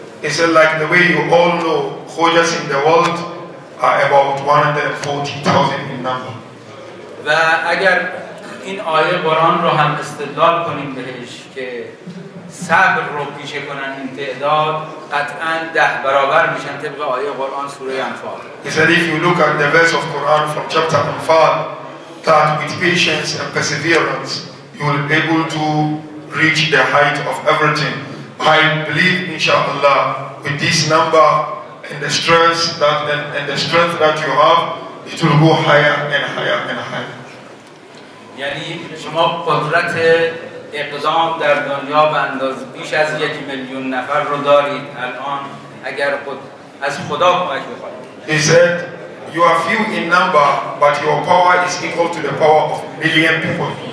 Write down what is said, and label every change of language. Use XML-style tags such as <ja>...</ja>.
<en>It's like the way you all know, Khoja in the world are about 140,000 in number.</en> <fa>و اگر این آیه قرآن رو هم استدلال کنیم بهش که صبر رو پیشه کنن این تعداد قطعاً ده برابر میشن طبق آیه قرآن سوره انفال.</fa> <en>He said if you look at the verse of Quran from chapter Anfal that with patience and perseverance you will be able to reach the height of everything. I believe inshallah with this number and the strength that you have it will go higher and higher and higher.</en> <fa>یعنی شما قدرت اقدام در دنیا به اندازه بیش از 1,000,000 نفر رو دارید الان اگر خود از خدا کمک بخواید.</fa> <en>He said you are few in number but your power is equal to the power of million people.</en>